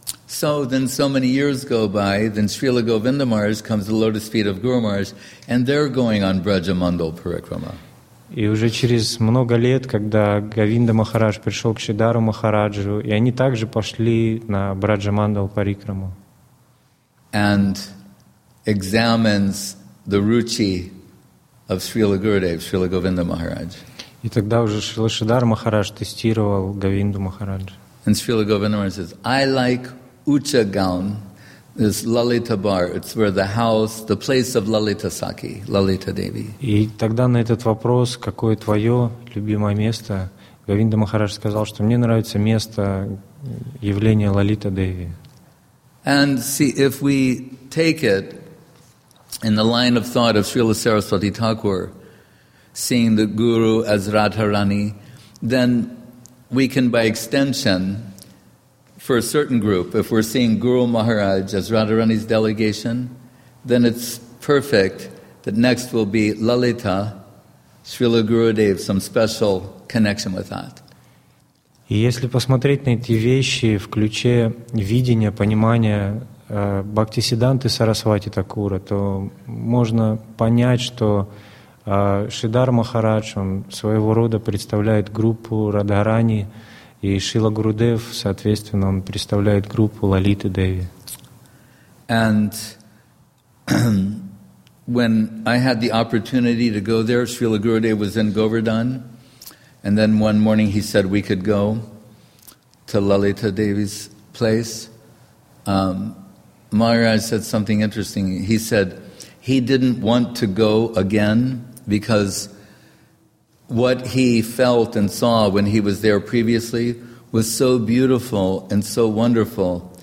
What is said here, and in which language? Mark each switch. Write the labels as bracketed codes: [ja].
[en] So then so many years go by, then Srila Govinda Maharaj comes to the lotus feet of Guru Maharaj, and they're going on Brajamandal Parikrama. [ru] И уже через много лет, когда Говинда Махарадж пришел к Шридхару Махараджу, и они также пошли на Браджамандал Парикраму. [en] And examines the ruchi of Srila Gurudev, Srila Govinda Maharaj. [ru] И тогда уже Шрила Шридхар Махарадж тестировал Говинду Махараджу. [en] And Srila Govinda Maharaj says, I like Ucha Gaon, this Lalita Bar, it's where the house, the place of Lalita Sakhi, Lalita Devi. [ru] И тогда на этот вопрос, какое твое любимое место, Говинда Махарадж сказал, что мне нравится место явления Лалита Деви. [en] And see, if we take it in the line of thought of Srila Saraswati Thakur, seeing the Guru as Radharani, then we can, by extension, for a certain group, if we're seeing Guru Maharaj as Radharani's delegation, then it's perfect that next will be Lalita, Srila Gurudev, some special connection with that. [ru] И если посмотреть на эти вещи в ключе видения, понимания Бхактисиддханты Сарасвати Такура, то можно понять, что Шридхар Махарадж, он своего рода представляет группу Радхарани, и Шрила Гурудев, соответственно, он представляет группу Лалиты Деви. [en] And when I had the opportunity to go there, Srila Gurudev was in Govardhan, and then one morning he said we could go to Lalita Devi's place. Maharaj said something interesting. He said he didn't want to go again because what he felt and saw when he was there previously was so beautiful and so wonderful.